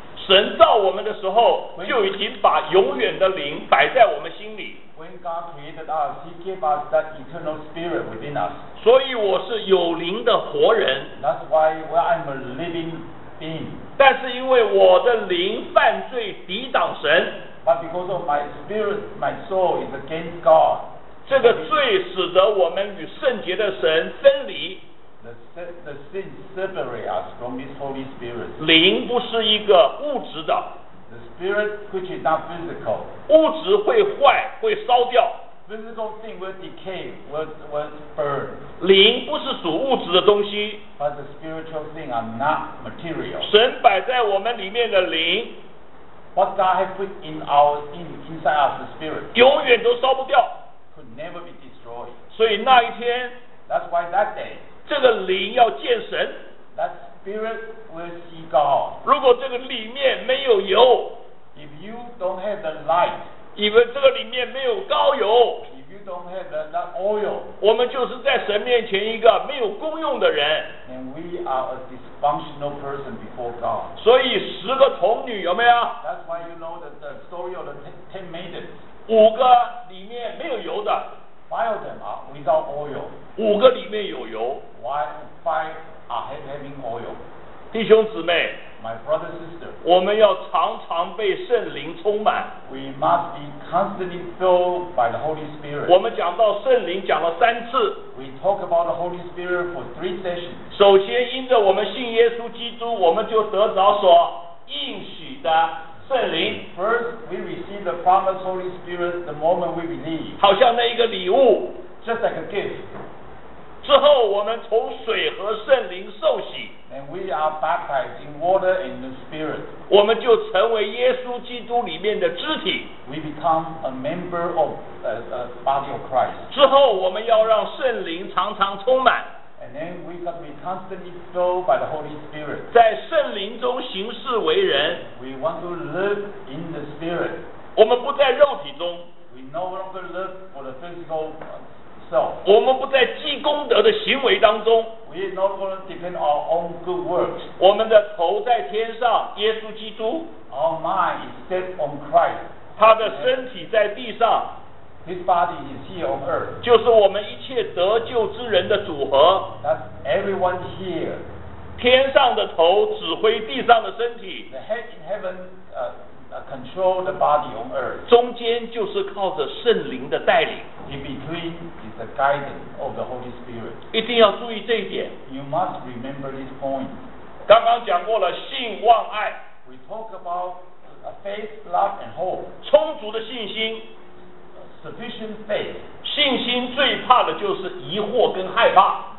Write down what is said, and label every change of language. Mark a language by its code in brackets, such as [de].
[zh] 神造我们的时候就已经把永远的灵摆在我们心里。 [en] When God created us, He gave us that eternal spirit within us. [zh] 所以我是有灵的活人。 [en] That's why I'm a living being. [zh] 但是因为我的灵犯罪抵挡神。 [en] But because of my spirit, my soul is against God. [zh] 这个罪使得我们与圣洁的神分离。 [en] The sin separates us from His Holy Spirit. [zh] 灵不是一个物质的。 [en] The spirit which is not physical. [zh] 物质会坏，会烧掉。 [en] Physical thing will decay, will burn. [zh] 灵不是属物质的东西。 [en] But the spiritual thing are not material. [zh] 神摆在我们里面的灵。 [en] What God has put inside us, the spirit. [zh] 永远都烧不掉。 [en] Could never be destroyed. [zh] 所以那一天。 [en] That's why that day. [zh] 这个灵要见神。 [en] That's Spirit will see God. [zh] 如果这个里面没有油， [en] If you don't have the light, [zh] 因为这个里面没有膏油， [en] If you don't have that oil, [zh] 我们就是在神面前一个没有功用的人。 [en] And we are a dysfunctional person before God. [zh] 所以十个童女有没有？ [en] That's why you know the story of the ten maidens. [zh] 五个里面没有油的。 [en] Five of them are without oil. [zh] 五个里面有油。 [en] Five are having oil. [zh] 弟兄姊妹， [en] My brother, sister, [zh] 我们要常常被圣灵充满。 [en] We must be constantly filled by the Holy Spirit. [zh] 我们讲到圣灵讲了三次。 [en] We talk about the Holy Spirit for three sessions. [zh] 首先因着我们信耶稣基督，我们就得着所应许的圣灵。 [en] First, we receive the promised Holy Spirit the moment we believe. [zh] 好像那一个礼物。 [en] Just like a gift. [zh] 之后我们从水和圣灵受洗， [en] and we are baptized in water and the spirit. [zh] 我们就成为耶稣基督里面的肢体。 [en] We become a member of the body of Christ. [zh] 之后我们要让圣灵常常充满， [en] and then we can be constantly filled by the Holy Spirit. [zh] 在圣灵中行事为人， [en] we want to live in the spirit. [zh] 我们不在肉体中， [en] we no longer live for the physical [zh] 我们不在积功德的行为当中。 [en] We are not going to depend on our own good works. [zh] 我们的头在天上，耶稣基督。 [en] Our mind is set on Christ. [zh] 他的身体在地上。 [en] His body is here on earth. [zh] 就是我们一切得救之人的组合。 [en] That's everyone here. [zh] 天上的头指挥地上的身体。 [en] The head in heaven, control the body on earth. [zh] 中间就是靠着圣灵的带领。 [en] In between is the guidance of the Holy Spirit. [zh] 一定要注意这一点。 [en] You must remember this point. [zh] 刚刚讲过了信望爱。 [en] We talk about faith, love, and hope. [zh] 充足的信心。 [en] Sufficient faith. [zh] 信心最怕的就是疑惑跟害怕。